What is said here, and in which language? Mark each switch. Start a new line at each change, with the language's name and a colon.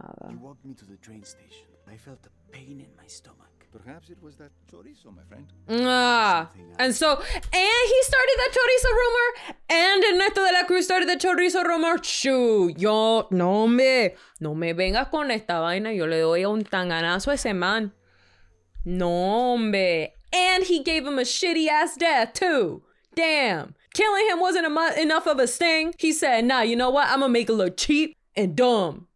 English: You walked me to the train station. I felt a pain in my stomach. Perhaps it was that chorizo, my friend. And he started that chorizo rumor, and Ernesto de la Cruz started the chorizo rumor.
Spanish: No me vengas con esta vaina. Yo le doy un tanganazo a ese man. No, hombre.
English: And he gave him a shitty ass death, too. Damn. Killing him wasn't enough of a sting. He said, nah, you know what? I'm gonna make it look cheap and dumb.